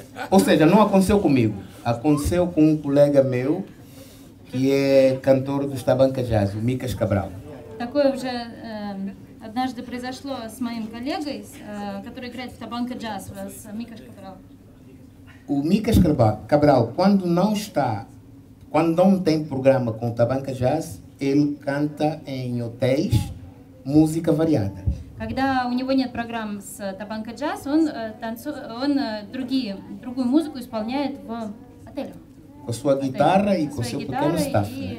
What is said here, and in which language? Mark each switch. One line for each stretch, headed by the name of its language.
Portuguese: Ou seja, não aconteceu comigo, aconteceu com um colega meu, que é cantor do Estabanca Jazz, o Micas Cabral.
Russian: Такое уже однажды произошло с моим коллегой, который играет в Табанка Джаз, с Микас Кабрал.
Portuguese: O Micas Cabral, quando não está, quando não tem programa com o Табанка Джаз, ele canta em hotéis música variada.
Russian: Когда у него нет программ с Табанка Джаз, он другую музыку исполняет в отелях.
Portuguese: Com sua guitarra и com seu pequeno staff.